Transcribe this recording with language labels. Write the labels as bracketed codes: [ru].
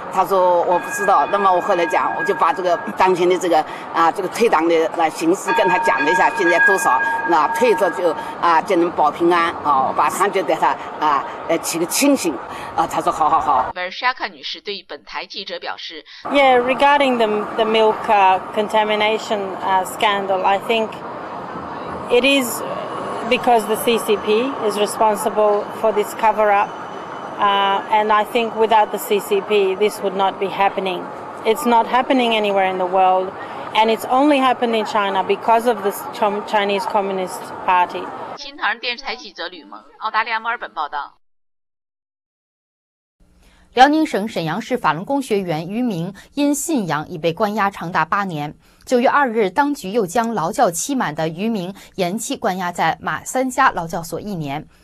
[zh] 他说我不知道。那么我后来讲，我就把这个当前的这个退党的形势跟他讲了一下，现在多少？那退着就能保平安啊，马上就带他起个清醒啊。他说好好好。 Vershaka 女士对本台记者表示 [en] ：“Yeah, regarding the milk contamination scandal, I think it is because the CCP is responsible for this cover up, and I think without the CCP, this would not be happening. It's not happening anywhere in the world, and it's only happened in China because of the Chinese Communist Party.” [zh] 新唐人电视台记者吕萌，澳大利亚墨尔本报道。辽宁省沈阳市法轮功学员于明因信仰已被关押长达8年。 9月2日，当局又将劳教期满的于明延期关押在马三家劳教所1年。